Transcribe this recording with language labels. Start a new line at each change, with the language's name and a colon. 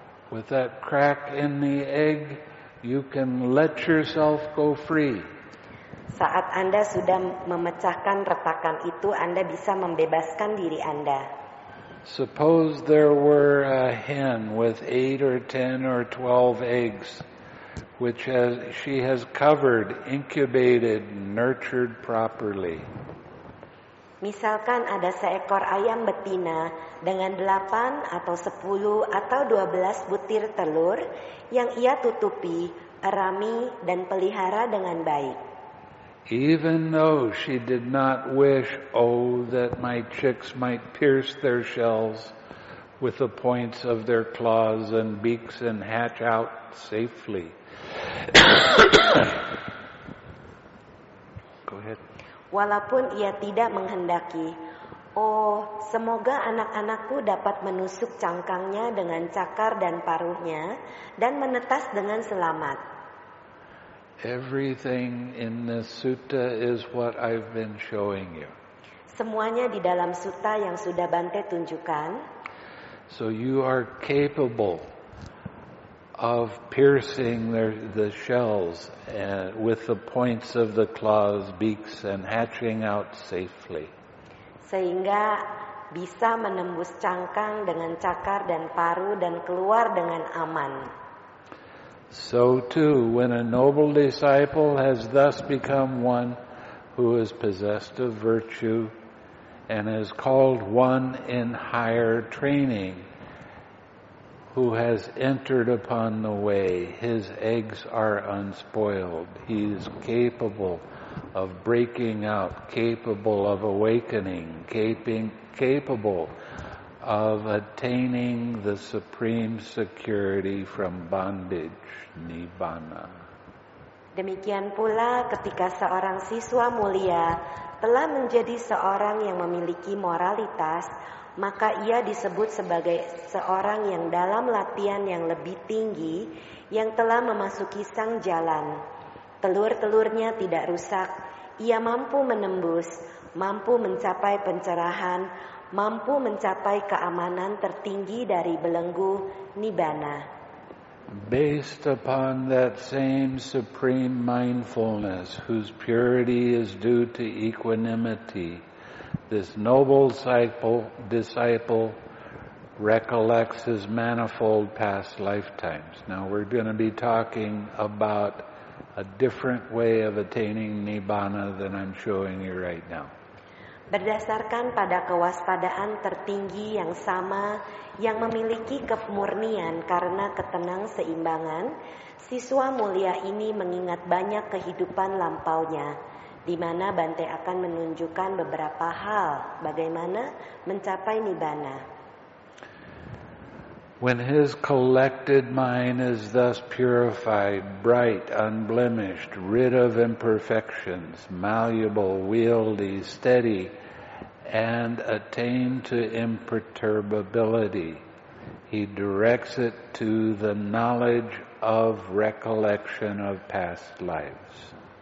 English: With that crack in the egg, you can let yourself go free.
Indonesian: Saat Anda sudah memecahkan retakan itu, Anda bisa membebaskan diri Anda.
English: Suppose there were a hen with 8 or 10 or 12 eggs, which she has covered, incubated, nurtured properly.
Indonesian: Misalkan ada seekor ayam betina dengan 8 atau 10 atau 12 butir telur yang ia tutupi, erami, dan pelihara dengan baik.
English: Even though she did not wish, oh, that my chicks might pierce their shells with the points of their claws and beaks and hatch out safely. Go ahead.
Indonesian: Walaupun ia tidak menghendaki, oh, semoga anak-anakku dapat menusuk cangkangnya dengan cakar dan paruhnya dan menetas dengan selamat.
English: Everything in this sutta is what I've been showing you.
Indonesian: Semuanya di dalam sutta yang sudah Bante tunjukkan.
English: So you are capable of piercing the shells with the points of the claws, beaks, and hatching out safely.
Indonesian: Sehingga bisa menembus cangkang dengan cakar dan paru dan keluar dengan aman.
English: So too, when a noble disciple has thus become one who is possessed of virtue and is called one in higher training, who has entered upon the way, his eggs are unspoiled. He is capable of breaking out, capable of awakening, capable of attaining the supreme security from bondage, nibbana.
Indonesian: Demikian pula ketika seorang siswa mulia telah menjadi seorang yang memiliki moralitas, maka ia disebut sebagai seorang yang dalam latihan yang lebih tinggi, yang telah memasuki sang jalan. Telur-telurnya tidak rusak, ia mampu menembus, mampu mencapai pencerahan, mampu mencapai keamanan tertinggi dari belenggu, nibbana.
English: Based upon that same supreme mindfulness, whose purity is due to equanimity, this noble disciple recollects his manifold past lifetimes. Now we're going to be talking about a different way of attaining nibbana than I'm showing you right now.
Indonesian: Berdasarkan pada kewaspadaan tertinggi yang sama, yang memiliki kemurnian karena ketenang seimbangan, siswa mulia ini mengingat banyak kehidupan lampaunya, di mana Bante akan menunjukkan beberapa hal bagaimana mencapai nibbana.
English: When his collected mind is thus purified, bright, unblemished, rid of imperfections, malleable, wieldy, steady, and attained to imperturbability, he directs it to the knowledge of recollection of past lives.